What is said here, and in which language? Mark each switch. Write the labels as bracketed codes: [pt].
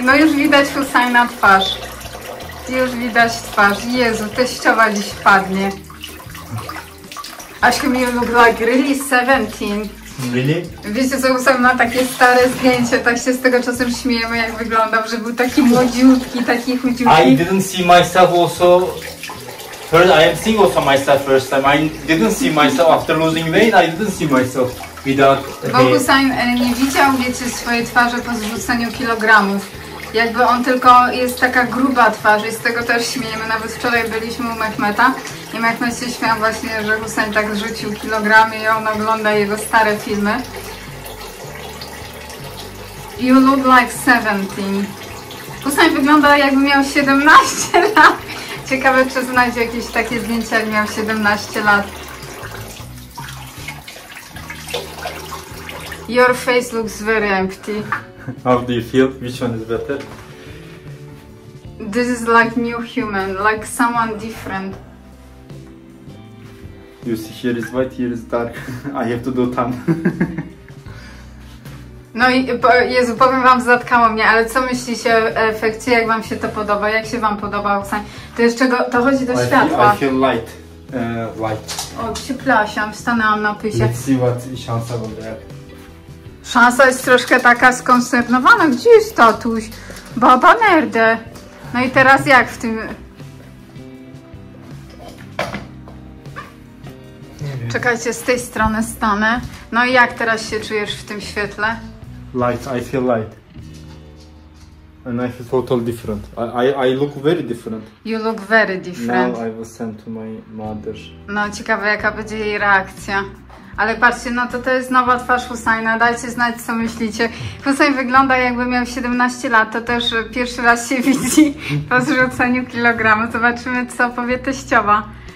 [pl] No już widać Husajna twarz. Już widać twarz. Jezu, teściowa dziś padnie. Aśka mi lubiła Grilli 17. [en] Really? [pl] Wiecie co, Husajn ma takie stare zdjęcie. Tak się z tego czasem śmiejemy, jak wyglądał, że był taki młodziutki, taki chudziutki. [en] I didn't see myself also... First, I am seeing also myself first time. I didn't see myself after losing weight. I didn't see myself. [pl] Bo Husajn nie widział, wiecie, swojej twarzy po zrzuceniu kilogramów. Jakby on tylko jest taka gruba twarz i z tego też śmiejemy. Nawet wczoraj byliśmy u Mehmeta i Mehmet się śmiał właśnie, że Husajn tak zrzucił kilogramy i on ogląda jego stare filmy. [en] You look like 17. [pl] Husajn wygląda jakby miał 17 lat. Ciekawe, czy znajdzie jakieś takie zdjęcia, jak miał 17 lat. [en] Your face looks very empty. How do you feel? Which one is better? This is like new human, like someone different. You see, here is white, here is dark. I have to do tam. [pl] No i Jezu, powiem wam, zatkało mnie, ale co myślicie o efekcie? Jak wam się to podoba? Jak się wam podoba, Oksan? To jeszcze go, to chodzi do światła. [en] I feel light. Light. [pl] O, przepraszam, stanęłam na pysie. [en] Let's see what Shansa will do. [pl] Szansa jest troszkę taka skonsternowana. Gdzie jest tatuś? Baba nerdę. No i teraz jak w tym... Czekajcie, z tej strony stanę. No i jak teraz się czujesz w tym świetle? [en] Light, I feel light. And I feel totally different. I look very different. You look very different. Now I was sent to my mother. [pl] No ciekawe, jaka będzie jej reakcja. Ale patrzcie, no to jest nowa twarz Husajna, dajcie znać, co myślicie. Husajn wygląda, jakby miał 17 lat, to też pierwszy raz się widzi po zrzuceniu kilogramu. Zobaczymy, co powie teściowa.